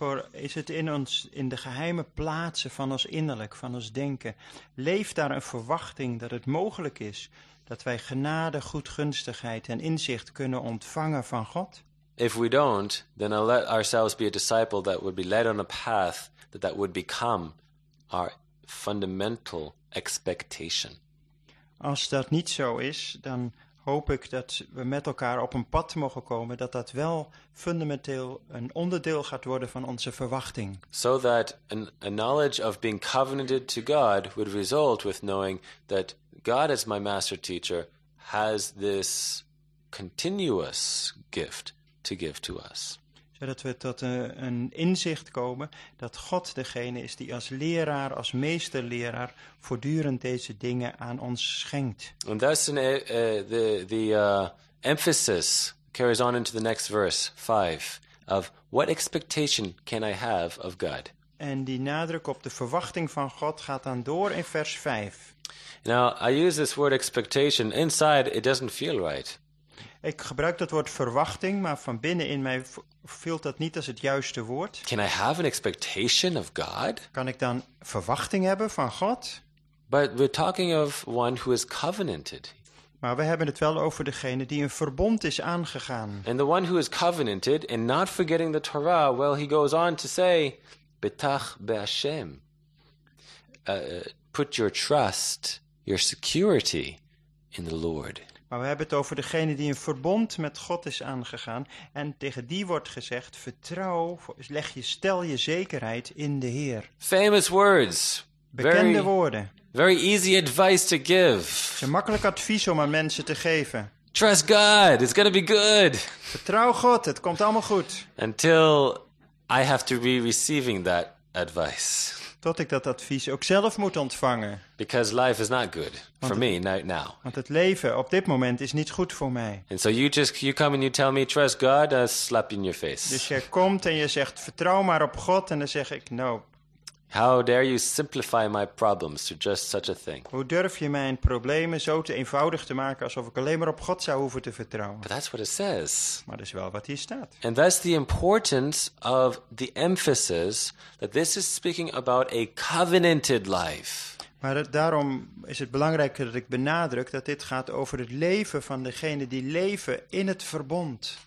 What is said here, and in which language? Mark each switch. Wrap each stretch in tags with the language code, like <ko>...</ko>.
<nl>Is het in de geheime plaatsen van ons innerlijk, van ons denken, leeft daar een verwachting dat het mogelijk is dat wij genade, goedgunstigheid en inzicht kunnen ontvangen van God?</nl> <en>If we don't, then I'll let ourselves be a disciple that would be led on a path that would become our fundamental expectation.</en> <nl>Als dat niet zo is, dan hoop ik dat we met elkaar op een pad mogen komen, dat dat wel fundamenteel een onderdeel gaat worden van onze verwachting.</nl> <en>So that a knowledge of being covenanted to God would result with knowing that God as my master teacher has this continuous gift to give to us.</en> <nl>Zodat we tot een inzicht komen dat God degene is die als leraar, als meesterleraar, voortdurend deze dingen aan ons schenkt. En dat is</nl> <en>the emphasis carries on into the next verse 5 of what expectation can I have of God?</en> <nl>En die nadruk op de verwachting van God gaat dan door in vers 5.</nl> <en>Now I use this word expectation inside. It doesn't feel right.</en> <nl>Ik gebruik dat woord verwachting, maar van binnen in mij voelt dat niet als het juiste woord.</nl> <en>Can I have an expectation of God?</en> <nl>Kan ik dan verwachting hebben van God?</nl> <en>But we're talking of one who is covenanted.</en> <nl>Maar we hebben het wel over degene die een verbond is aangegaan.</nl> <en>And the one who is covenanted and not forgetting the Torah, well, he goes on to say,</en> <he>Betach be'ashem.</he> <en>Put your trust, your security in the Lord.</en> <nl>Maar we hebben het over degene die een verbond met God is aangegaan. En tegen die wordt gezegd, vertrouw, stel je zekerheid in de Heer.</nl> <en>Famous words.</en> <nl>Bekende woorden.</nl> <en>Very easy advice to give.</en> <nl>Het is een makkelijk advies om aan mensen te geven.</nl> <en>Trust God, it's going to be good.</en> <nl>Vertrouw God, het komt allemaal goed.</nl> <en>Until I have to be receiving that advice.</en> <nl>Tot ik dat advies ook zelf moet ontvangen.</nl> <en>Because life is not good for me right now.</en> <nl>Want het leven op dit moment is niet goed voor mij.</nl> <en>And so you come and you tell me trust God, I'll slap you in your face.</en> <nl>Dus je komt en je zegt vertrouw maar op God en dan zeg ik nope.</nl> <en>How dare you simplify my problems to just such a thing?</en> <nl>Hoe durf je mijn problemen zo te eenvoudig te maken alsof ik alleen maar op God zou hoeven te vertrouwen?</nl> <en>But that's what it says.</en> <nl>Maar dat is wel wat hier staat.</nl> <en>And that's the importance of the emphasis that this is speaking about a covenanted life.</en> <nl>Maar daarom is het belangrijk dat ik benadruk dat dit gaat over het leven van degene die leven in het verbond.</nl>